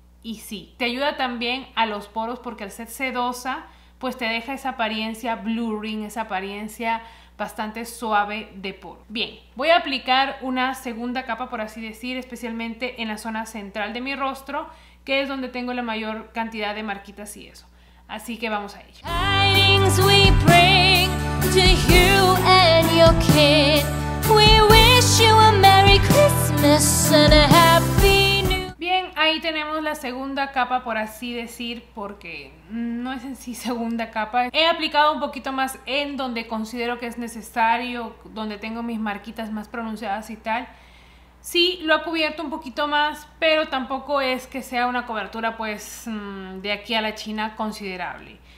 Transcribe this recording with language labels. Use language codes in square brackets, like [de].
[es] Y sí, te ayuda también a los poros porque al ser sedosa, pues te deja esa apariencia blurring, esa apariencia bastante suave de poro. Bien, voy a aplicar una segunda capa, por así decir, especialmente en la zona central de mi rostro, que es donde tengo la mayor cantidad de marquitas y eso. Así que vamos a ello. [en] Tidings we bring to you and your kid. We wish you a Merry Christmas and a Happy. [es] Bien, ahí tenemos la segunda capa, por así decir, porque no es en sí segunda capa. He aplicado un poquito más en donde considero que es necesario, donde tengo mis marquitas más pronunciadas y tal. Sí, lo ha cubierto un poquito más, pero tampoco es que sea una cobertura, pues, de aquí a la China considerable.